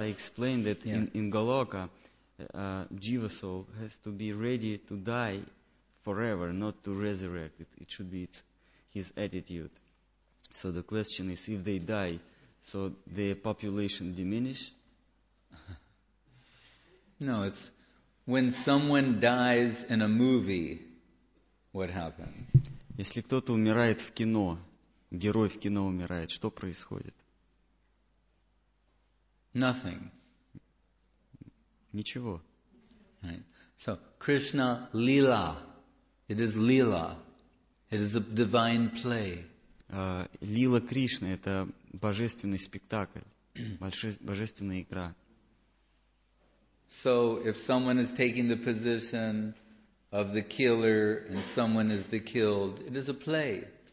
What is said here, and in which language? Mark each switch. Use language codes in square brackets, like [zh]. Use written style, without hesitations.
[en] I explained that in Goloka, Jiva soul has to be ready to die forever, not to resurrect. It should be his attitude. So the question is, if they die, so their population diminish? No, it's when someone dies in a movie, what happens? [ru] Если кто-то умирает в кино, герой в кино умирает, что происходит? [en] Nothing. [ru] Ничего. [en] Right. So, Krishna Lila. It is Lila. It is a divine play. [ru] Лила Кришна — это божественный спектакль, божественная игра. [en] So if someone is taking the position of the killer and someone is the killed, it is a play.